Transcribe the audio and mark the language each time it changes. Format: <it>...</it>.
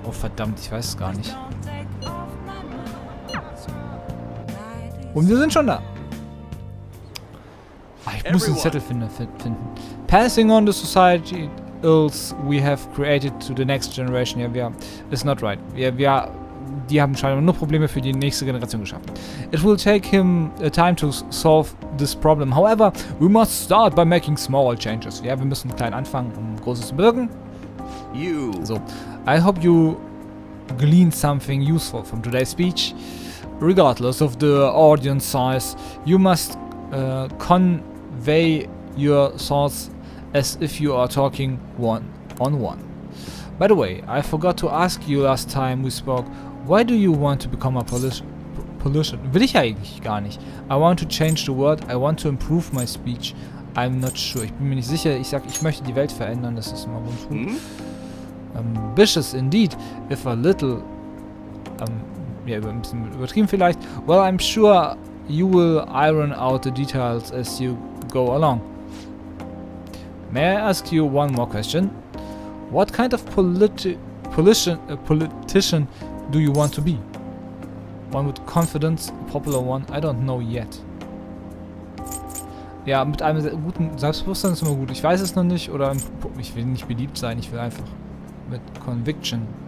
<de>Oh verdammt, ich weiß es gar nicht. Und wir sind schon da. Ah, ich muss einen Zettel finden.</de> <en>Passing on the society ills we have created to the next generation. Yeah, we are, it's not right.</en> <de>Die haben scheinbar nur Probleme für die nächste Generation geschaffen.</de> <en>It will take him time to solve this problem. However, we must start by making small changes.</en> <de>Ja, wir müssen klein anfangen, um Großes zu bewirken.</de> <en>You. So. I hope you gleaned something useful from today's speech. Regardless of the audience size, you must convey your thoughts as if you are talking one on one. By the way, I forgot to ask you last time we spoke. Why do you want to become a politician?</en> <de>Will ich eigentlich gar nicht.</de> <en>I want to change the world. I want to improve my speech. I'm not sure.</en> <de>Ich bin mir nicht sicher. Ich sag, ich möchte die Welt verändern. Das ist mein Wunsch.</de> <en>Ambitious indeed. If a little...</en> <de>ja, ein bisschen übertrieben vielleicht.</de> <en>Well, I'm sure you will iron out the details as you go along. May I ask you one more question? What kind of politician do you want to be? One with confidence, a popular one, I don't know yet.</en> <de>Ja, mit einem guten Selbstbewusstsein ist immer gut. Ich weiß es noch nicht, oder ich will nicht beliebt sein, ich will einfach mit Conviction.</de>